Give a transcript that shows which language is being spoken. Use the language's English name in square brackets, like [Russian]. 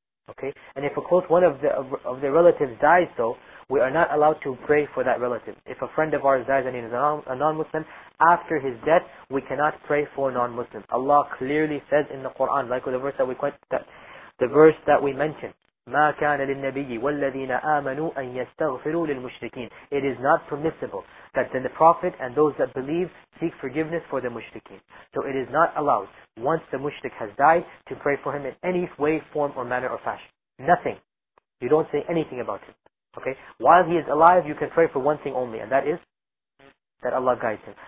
[English] Okay, and if a close one of the relatives dies, though, we are not allowed to pray for that relative. If a friend of ours dies and he is a non-Muslim, after his death, we cannot pray for non-Muslims. Allah clearly says in the Quran, like the verse that we mentioned. [Arabic] ما كان للنبي والذين آمنوا أن يستغفروا للمشركين. [English] It is not permissible that the Prophet and those that believe seek forgiveness for the mushrikeen. So it is not allowed, once the mushrik has died, to pray for him in any way, form, or manner or fashion. Nothing. You don't say anything about him. Okay? While he is alive, you can pray for one thing only, and that is that Allah guides him.